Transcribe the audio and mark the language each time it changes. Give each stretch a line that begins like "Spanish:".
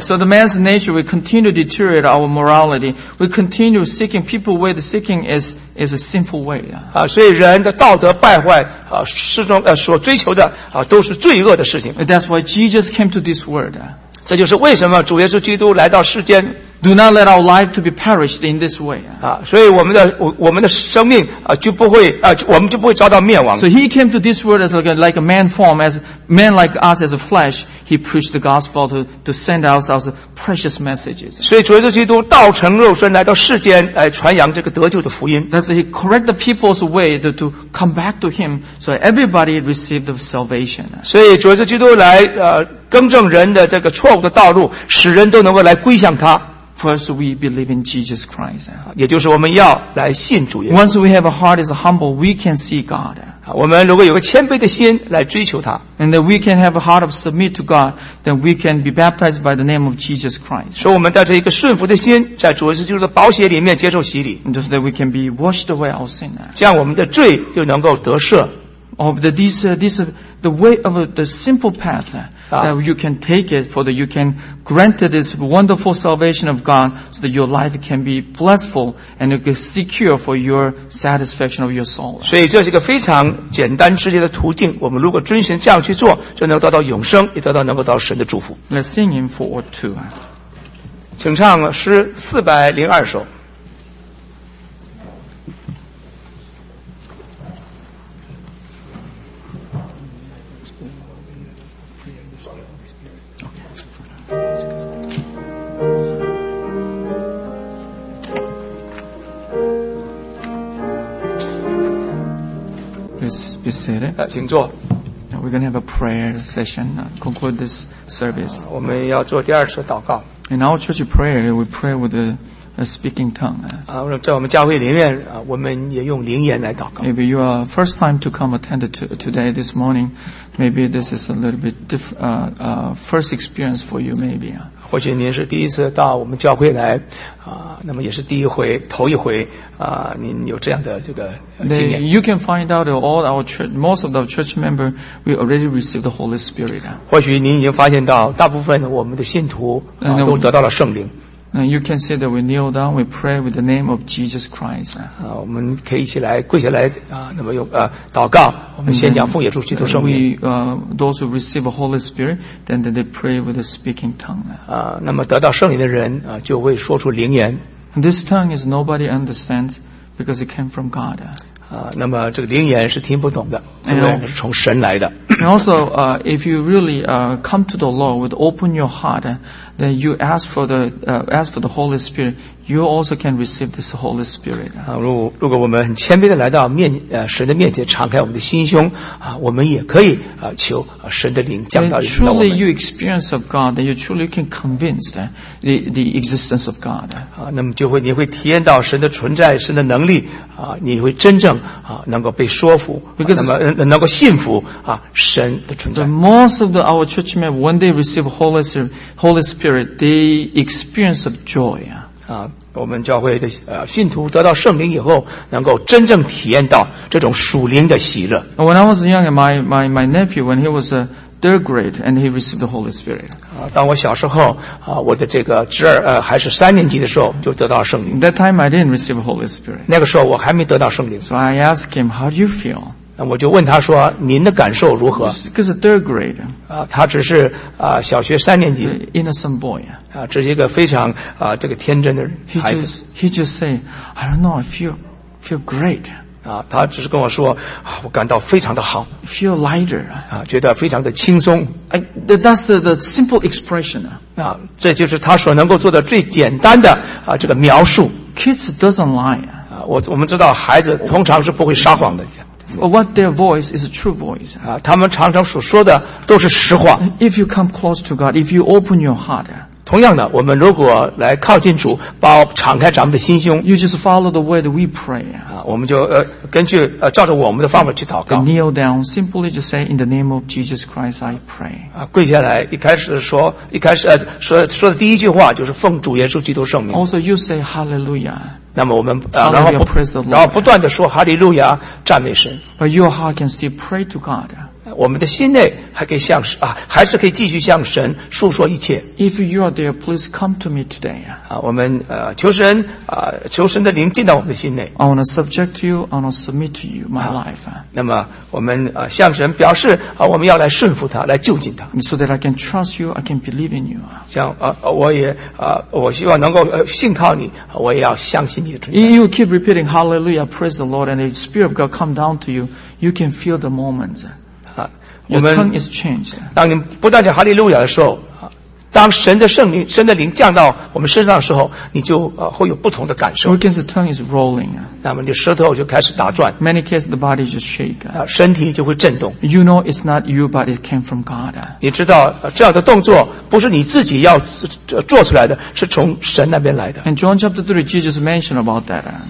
English: So the man's nature we continue to deteriorate our morality. We continue seeking people where the seeking is a sinful way.
Chinese: 所以人的道德败坏所追求的都是罪恶的事情。
English: That's why Jesus came to this world.
Chinese: 这就是为什么主耶稣基督来到世间。
English: Do not let our life to be perished in this way.
Chinese: 所以我们的生命就不会我们就不会遭到灭亡。
English: So he came to this world as like a man form, as man like us as a flesh. He preached the gospel to send us our precious messages.
Chinese: 所以主耶稣基督道成肉身来到世间来传扬这个得救的福音。
English: That's he correct the people's way to come back to him, so everybody received the salvation.
Chinese: 所以主耶稣基督来更正人的这个错误的道路，使人都能够来归向他。
English: First, we believe in Jesus Christ.
Chinese: 也就是我们要来信主耶稣。
English: Once we have a heart that is humble, we can see God.
Chinese: 我们如果有个谦卑的心来追求他。
English: And that we can have a heart of submit to God, then we can be baptized by the name of Jesus Christ.
Chinese: 所以我们带着一个顺服的心，在主耶稣基督的宝血里面接受洗礼。
English: And so that we can be washed away our sin.
Chinese: 这样我们的罪就能够得赦。
English: Oh, this the way of the simple path. That you can take it for that you can grant this wonderful salvation of God so that your life can be blissful and you can secure for your satisfaction of your soul.
Chinese: 所以这是一个非常简单直接的途径，我们如果遵循这样去做，就能得到永生，也得到能够到神的祝福。
English: Let's sing in 402.
Chinese: 请唱诗402首。
English: Be seated.
Chinese: 请坐。
English: Now we're going to have a prayer session, conclude this service.
Chinese: 我们要做第二次祷告。
English: In our church prayer, we pray with a speaking tongue.
Chinese: 在我们教会里面，我们也用灵言来祷告。
English: Maybe you are first time to come attend today, this morning. Maybe this is a little bit first experience for you, maybe.
Chinese: 或许您是第一次到我们教会来，那么也是第一回，头一回。您有这样的这个经验。
English: You can find out all our church, most of our church members, we already received the Holy Spirit.
Chinese: 或许您已经发现到，大部分我们的信徒都得到了圣灵。
English: And you can see that we kneel down, we pray with the name of Jesus Christ.
Chinese: 我们可以一起来跪下来那么用祷告。我们先讲奉耶稣基督圣名。
English: Those who receive the Holy Spirit, then they pray with a speaking tongue.
Chinese: 那么得到圣灵的人就会说出灵言。
English: This tongue is nobody understands because it came from God.
Chinese: 那么这个灵言是听不懂的，灵言是从神来的。
English: And also, if you really come to the Lord with open your heart, then you ask for the Holy Spirit, you also can receive this Holy Spirit.
Chinese: 如果我们很谦卑的来到神的面前，敞开我们的心胸我们也可以求神的灵降到我们。
English: Truly, you experience of God, that you truly can convince the existence of God.
Chinese: 那么就会你会体验到神的存在，神的能力你会真正能够被说服，那么能够信服神的存在。
English: Most of our church members, when they receive Holy Spirit, they experience of joy.
Chinese: 我们教会的信徒得到圣灵以后，能够真正体验到这种属灵的喜乐。
English: When I was young, my nephew, when he was third grade and he received the Holy Spirit.
Chinese: 当我小时候我的这个侄儿还是三年级的时候就得到圣灵。
English: That time I didn't receive the Holy Spirit.
Chinese: 那个时候我还没得到圣灵。
English: So I asked him, how do you feel?
Chinese: 那我就问他说您的感受如何
English: Because a third grade,
Chinese: 他只是小学三年级
English: innocent boy,
Chinese: 这是一个非常这个天真的孩子
English: he just say, I don't know, I feel great,
Chinese: 他只是跟我说我感到非常的好
English: feel lighter,
Chinese: 觉得非常的轻松
English: that's the simple expression,
Chinese: 这就是他所能够做的最简单的这个描述
English: kids doesn't lie,
Chinese: 我们知道孩子通常是不会撒谎的
English: What their voice is a true voice.
Chinese: 他们常常所说的都是实话。
English: If you come close to God, if you open your heart.
Chinese: 同样的，我们如果来靠近主，敞开咱们的心胸。
English: You just follow the way that we pray.
Chinese: 我们就根据照着我们的方法去祷告。
English: Kneel down, simply just say in the name of Jesus Christ, I pray.
Chinese: 跪下来，一开始说的第一句话就是奉主耶稣基督圣名。
English: Also, you say Hallelujah.
Chinese: 那么我们然后不断地说哈利路亚赞美神
English: But your heart can still pray to God
Chinese: 我们的心内还可以向还是可以继续向神诉说一切
English: If you are there please come to me today
Chinese: 我们求神的灵进到我们的心内
English: I want to subject to you I want to submit to you my life
Chinese: 那么我们向神表示我们要来顺服他来就近他
English: So that I can trust you I can believe in you
Chinese: 像我希望能够信靠你我也要相信你的存在
English: You keep repeating Hallelujah praise the Lord and if the Spirit of God come down to you you can feel the moment Your tongue is changed.
Chinese: 当你不断讲哈利路亚的时候，当神的圣灵、神的灵降到我们身上的时候，你就会有不同的感受。
English: Because the tongue is rolling.
Chinese: 那么你舌头就开始打转。
English: Many cases the body just shake.
Chinese: 身体就会震动。
English: You know it's not you, but it came from God.
Chinese: 你知道这样的动作不是你自己要做出来的，是从神那边来的。
English: And John chapter 3, Jesus mentioned about that.